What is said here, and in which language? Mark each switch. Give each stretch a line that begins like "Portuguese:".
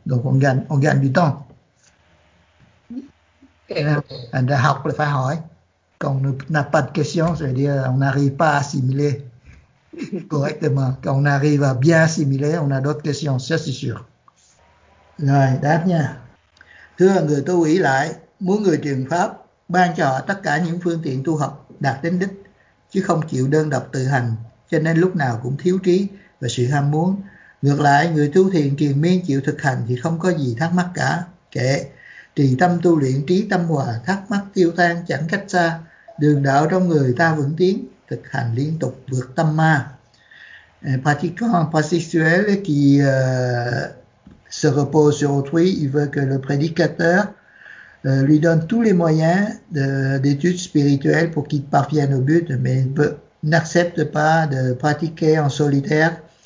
French: Donc on gagne du temps. Quand on n'a pas de questions, ça veut dire qu'on n'arrive pas à assimiler correctement. Quand on arrive à bien assimiler, on a d'autres questions, ça c'est sûr.
Vietnamese: Rồi, đáp nha. Thưa người tu ý lại, muốn người truyền pháp ban cho họ tất cả những phương tiện tu học đạt đến đích, chứ không chịu đơn độc tự hành, cho nên lúc nào cũng thiếu trí và sự ham muốn. Ngược lại, người tu thiền triền miên chịu thực hành thì không có gì thắc mắc cả. Kệ, trì tâm tu luyện trí tâm hòa, thắc mắc tiêu tan chẳng cách xa. Đường đạo trong người ta vững tiến, thực hành liên tục vượt tâm ma.
French: Pratiquant persistuel qui se repose sur autrui, il veut que le prédicateur lui donne tous les moyens d'études spirituelles pour qu'il parvienne au but, mais il peut, n'accepte pas de pratiquer en solitaire.